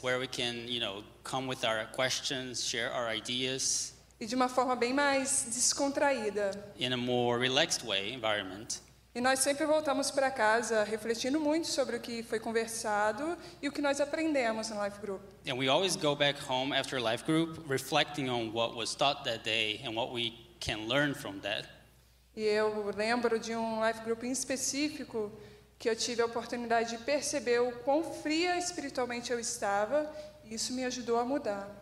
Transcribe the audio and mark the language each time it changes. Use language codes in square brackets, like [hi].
[en] Where we can, you know, come with our questions, share our ideas. [pt] E de uma forma bem mais descontraída. [en] In a more relaxed way, environment. [pt] E nós sempre voltamos para casa refletindo muito sobre o que foi conversado e o que nós aprendemos no life group. [en] And we always go back home after life group, reflecting on what was taught that day and what we can learn from that. [pt] E eu lembro de um life group em específico que eu tive a oportunidade de perceber o quão fria espiritualmente eu estava, e isso me ajudou a mudar.